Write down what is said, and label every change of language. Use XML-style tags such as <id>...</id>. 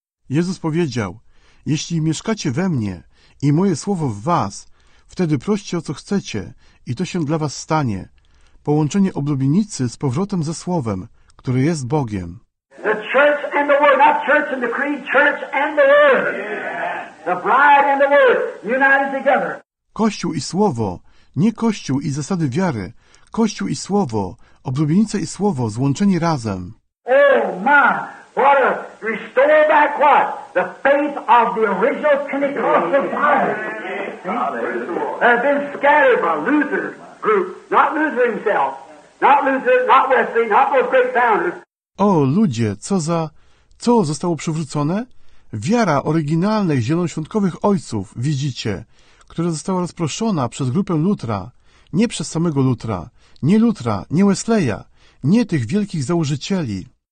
<pl>Jezus powiedział, jeśli mieszkacie we mnie i moje słowo w was, wtedy proście o co chcecie i to się dla was stanie. Połączenie oblubienicy z powrotem ze słowem, które jest Bogiem.</pl> <en>The church and the word, not church and the creed, church and the word. The bride and the word, united together.</en> <pl>Kościół i słowo, nie kościół i zasady wiary, kościół i słowo, oblubienica i słowo złączeni razem.</pl> <en>Oh my, What a restore back what? The faith of the original Pentecostal fathers. That have been scattered by Luther group, not Luther himself, not Luther, not Wesley, not those great founders.</en> <pl>O ludzie, co zostało przywrócone? Wiara oryginalnych zielonoświątkowych ojców, widzicie, która została rozproszona przez grupę Lutra, nie przez samego Lutra, nie Lutra, nie Wesleya, nie tych wielkich założycieli.</pl>